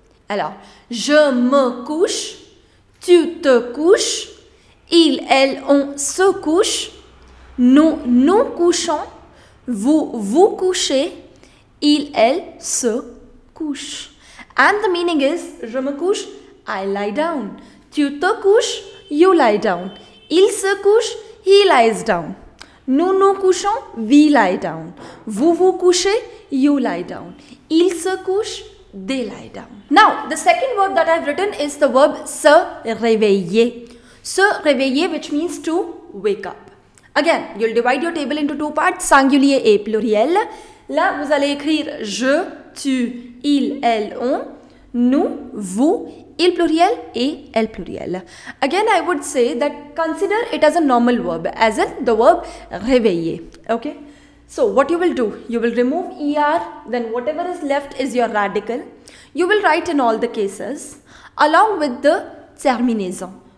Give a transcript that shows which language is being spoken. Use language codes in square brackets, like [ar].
[fr] Alors, je me couche, tu te couches, il, elle, on se couche, nous, nous couchons, vous, vous couchez, il, elle, se couche. [en] And the meaning is, [fr] je me couche, [en] I lie down. [fr] Tu te couches, [en] you lie down. [fr] Il se couche, [en] he lies down. [fr] Nous nous couchons, [en] we lie down. [fr] Vous vous couchez, [en] you lie down. [fr] Il se couche, [en] they lie down. Now, the second verb that I've written is the verb se réveiller. Se réveiller, which means to wake up. Again, you'll divide your table into two parts, [fr] singulier et pluriel. Là, vous allez écrire je, tu, il, elle, on, nous, vous, il pluriel et elle pluriel. [en] Again, I would say that consider it as a normal verb, as in the verb réveiller. Okay? So, what you will do? You will remove ER, then whatever is left is your radical. You will write in all the cases along with the terminaison.